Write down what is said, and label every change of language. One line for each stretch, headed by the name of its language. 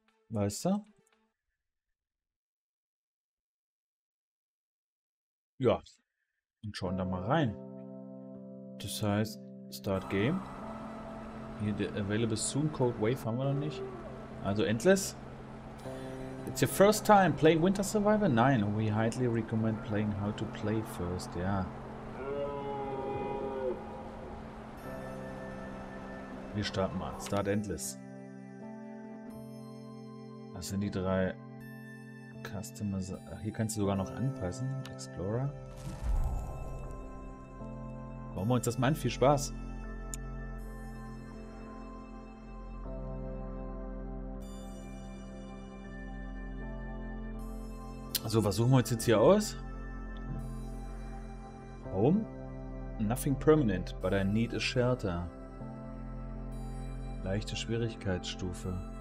German: Weißt du? Ja. Und schauen da mal rein. Das heißt, Start Game. Hier, der Available Soon Code Wave haben wir noch nicht. Also Endless.
English: It's your first time playing Winter Survivor?
German: Nein,
English: we highly recommend playing how to play first,
German: ja. Wir starten mal. Start Endless. Das sind die drei Customers. Ach, hier kannst du sogar noch anpassen. Explorer. Wollen wir uns das mal an? Viel Spaß. So, was suchen wir uns jetzt hier aus?
English: Home? Nothing permanent, but I need a shelter.
German: Leichte Schwierigkeitsstufe.